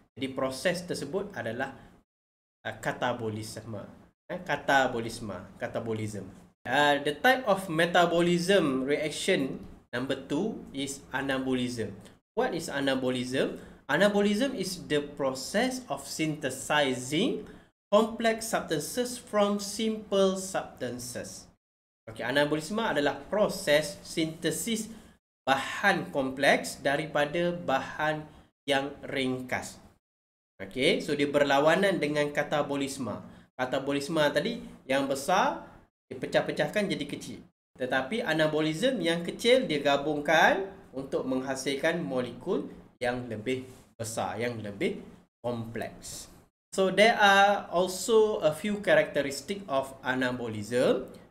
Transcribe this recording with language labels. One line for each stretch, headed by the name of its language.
Malay: Jadi proses tersebut adalah katabolisme. Katabolisme, katabolism.
English: The type of metabolism reaction number two is anabolism. What is anabolism? Anabolism is the process of synthesizing complex substances from simple substances.
Malay: Okay, anabolisme adalah proses sintesis bahan kompleks daripada bahan yang ringkas. Okay, so dia berlawanan dengan katabolisme. Katabolisme tadi yang besar dipecah-pecahkan jadi kecil. Tetapi anabolisme yang kecil dia gabungkan untuk menghasilkan molekul yang lebih besar, yang lebih kompleks.
English: So there are also a few characteristics of anabolisme.